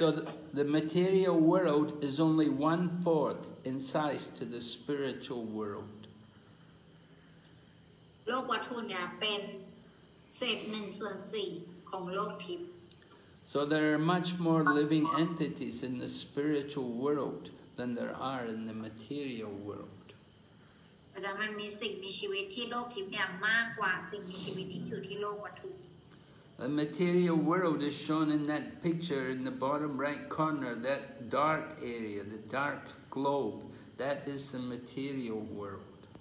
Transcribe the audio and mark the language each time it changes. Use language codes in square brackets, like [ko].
[en] So the material world is only 1/4 in size to the spiritual world. [th] โลกวัตถุเนี่ยเป็นเศษ1/4ของโลกทิพย์ [en] So there are much more living entities in the spiritual world than there are in the material world. [th] เพราะฉะนั้นมันมีสิ่งมีชีวิตที่โลกทิพย์เนี่ยมากกว่าสิ่งมีชีวิตที่อยู่ที่โลกวัตถุ [en] The material world is shown in that picture in the bottom right corner, that dark area, the dark globe. That is the material world.